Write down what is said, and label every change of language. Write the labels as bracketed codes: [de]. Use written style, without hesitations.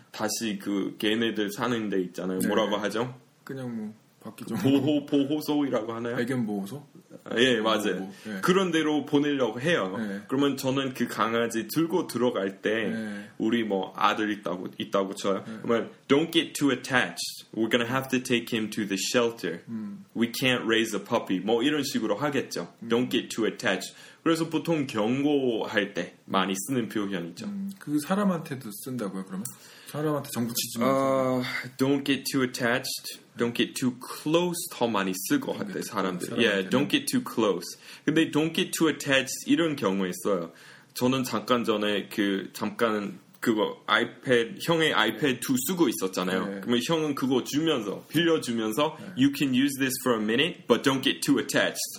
[ko] 다시 그 걔네들 사는 데 있잖아요. 네. 뭐라고 하죠? 그냥 뭐 보호소라고 하나요? 애견 보호소? 예, 맞아요. 뭐, 예. 그런 데로 보내려고 해요. 예. 그러면 저는 그 강아지 들고 들어갈 때 예. 우리 뭐 아들 있다고 쳐요. 예. 그러면 [en] don't get too attached. We're gonna have to take him to the shelter. We can't raise a puppy. [ko] 뭐 이런 식으로 하겠죠. [en] Don't get too attached. [ko] 그래서 보통 경고할 때 많이 쓰는 표현이죠. 그 사람한테도 쓴다고요, 그러면? 사람한테 정 붙이지 [en] Don't get too attached. Don't get too close. [ko] 더 많이 쓰고 하대 사람들. [en] Yeah, don't get too close. [ko] 근데 [en] don't get too attached [ko] 이런 경우 있어요. 저는 잠깐 전에 그거 아이패드 형의 아이패드 2 쓰고 있었잖아요. 네. 그러면 형은 그거 주면서 빌려주면서 네. [en] You can use this for a minute, but don't get too attached.